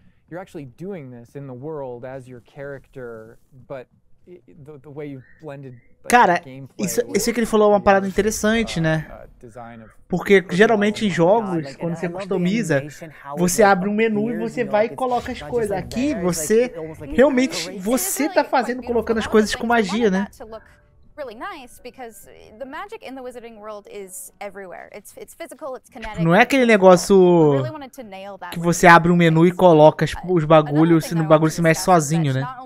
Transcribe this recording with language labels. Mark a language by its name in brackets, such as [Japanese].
[English] You're actually doing this in the world as your character, but the way you blended the [Portuguese] cara, isso é que ele falou, uma parada interessante, né? Porque geralmente em jogos, quando você customiza, você abre um menu e você vai e coloca as coisas. Aqui, você realmente, você tá fazendo, colocando as coisas com magia, né? [English] Really nice because the magic in the wizarding world is everywhere. It's physical, it's kinetic. [Portuguese] Não é aquele negócio que você abre um menu e coloca os bagulhos, se no bagulho se mexe sozinho, né?